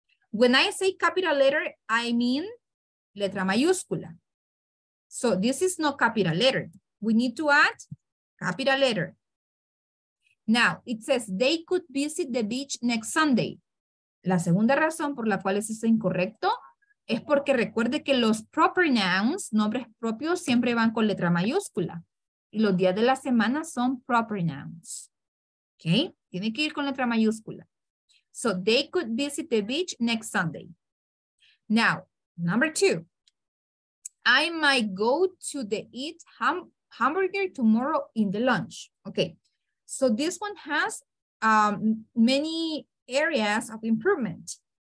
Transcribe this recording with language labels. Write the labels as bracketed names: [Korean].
[English] When I say capital letter, I mean [Spanish] letra mayúscula. [English] So this is not capital letter. We need to add capital letter. Now, it says they could visit the beach next Sunday. [Spanish] La segunda razón por la cual eso es incorrecto es porque recuerde que los proper nouns, nombres propios, siempre van con letra mayúscula. Y los días de la semana son proper nouns. Okay? Tiene que ir con letra mayúscula. [English] So they could visit the beach next Sunday. Now, number two. I might go to the eat hamburger tomorrow in the lunch. Okay. So this one has many areas of improvement.